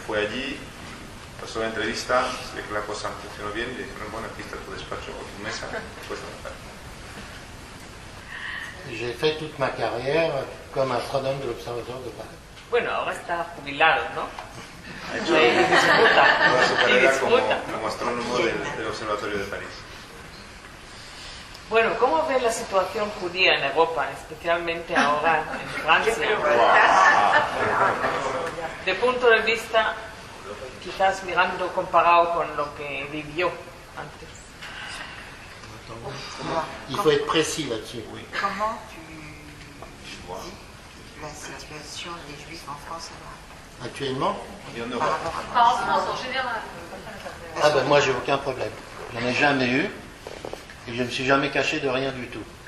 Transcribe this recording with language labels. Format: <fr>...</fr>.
<es>Fue allí, pasó la entrevista, se ve que la cosa funcionó bien, y le dijeron, bueno, aquí está tu despacho o tu mesa, puedes trabajar.</es> <fr>J'ai fait toute ma carrière comme astronome de l'observatoire de Paris.</fr> <es>Bueno, ahora está jubilado, ¿no? Como astrónomo del Observatorio de París. Bueno, ¿cómo ve la situación judía en Europa, especialmente ahora en Francia? De punto de vista, quizás mirando comparado con lo que vivió antes.</es> <fr>Il faut être précis là-dessus. Comment tu vois la situation des Juifs en France alors? Actuellement et en Europe. Pas en France en général. Ah ben moi j'ai aucun problème. J'en ai jamais eu. Et je ne me suis jamais caché de rien du tout.</fr>